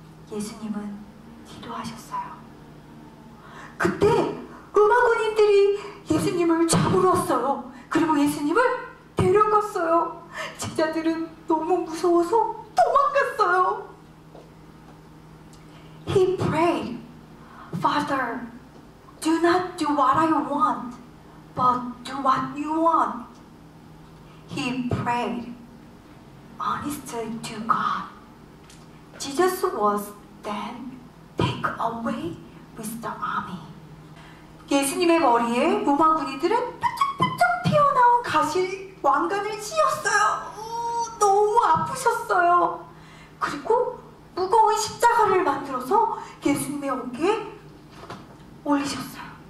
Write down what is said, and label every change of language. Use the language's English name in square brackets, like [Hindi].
[Korean] 예수님은 기도하셨어요. 그때 로마군인들이 예수님을 잡으러 왔어요. 그리고 예수님을 데려갔어요. 제자들은 너무 무서워서 도망갔어요. [English] He prayed, Father, do not do what I want, but do what you want. He prayed honestly to God. Jesus was then taken away with the army. [Korean] 예수님의 머리에 로마 군인들은 뾰족뾰족 피어나온 가실 왕관을 씌웠어요. 너무 아프셨어요. 그리고 무거운 십자가를 만들어서 예수님의 어깨에 올리셨어요.